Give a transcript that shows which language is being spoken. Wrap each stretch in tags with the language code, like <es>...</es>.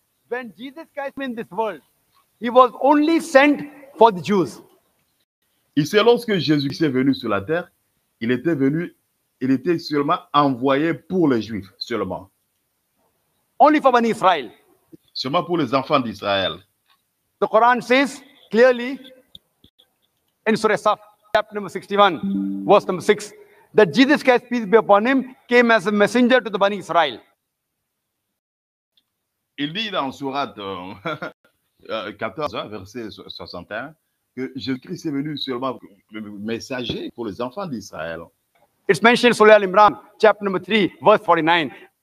<en>When Jesus Christ came in this world, he was only sent for the Jews.</en> <fr>Et c'est lorsque Jésus est venu sur la terre, il était venu, il était seulement envoyé pour les Juifs, seulement.</fr> <en>Only for Bani Israël.</en> <fr>Seulement pour les enfants d'Israël.</fr> <en>The Quran says clearly in Surah Saf, chapter number 61, verse number 6, that Jesus Christ, peace be upon him, came as a messenger to the Bani Israël.</en> <fr>Il dit dans Sourate 14, verset 61, que Jésus-Christ est venu seulement messager pour les enfants d'Israël.</fr> <en>It's mentioned in Surah Al-Imran, chapter number 3, verse 49.</en>